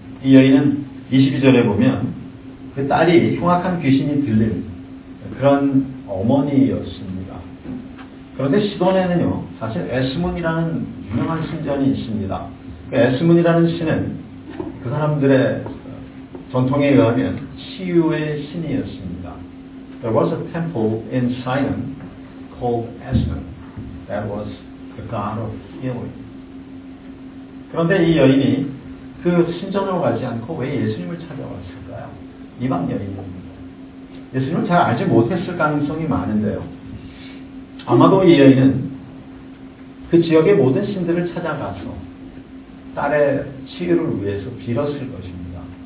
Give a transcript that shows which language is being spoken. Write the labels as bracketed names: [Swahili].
[Korean] 이 여인은 22절에 보면 그 딸이 흉악한 귀신이 들린 그런 어머니였습니다. 그런데 시돈에는요, 사실 에스문이라는 유명한 신전이 있습니다. 그 에스문이라는 신은 그 사람들의 전통에 의하면 치유의 신이었습니다. [English] There was a temple in Sion called Esmon. That was the god of healing. [Korean] 그런데 이 여인이 그 신전으로 가지 않고 왜 예수님을 찾아왔을까요? 이방 여인입니다. 예수님을 잘 알지 못했을 가능성이 많은데요. 아마도 이 여인은 그 지역의 모든 신들을 찾아가서 딸의 치유를 위해서 빌었을 것입니다.